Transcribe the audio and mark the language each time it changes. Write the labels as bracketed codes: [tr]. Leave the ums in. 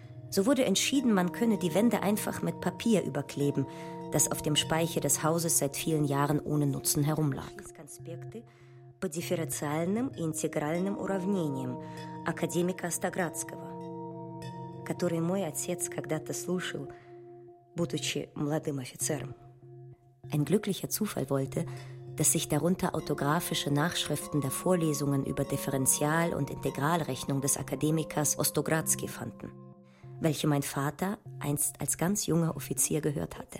[de] So wurde entschieden, man könne die Wände einfach mit Papier überkleben, das auf dem Speicher des Hauses seit vielen Jahren ohne Nutzen herumlag. [ru] по дифференциальным и интегральным уравнениям академика Остоградского, который мой отец когда-то слушал – [de] ein glücklicher Zufall wollte, dass sich darunter autografische Nachschriften der Vorlesungen über Differential- und Integralrechnung des Akademikers Ostogradski fanden, welche mein Vater einst als ganz junger Offizier gehört hatte.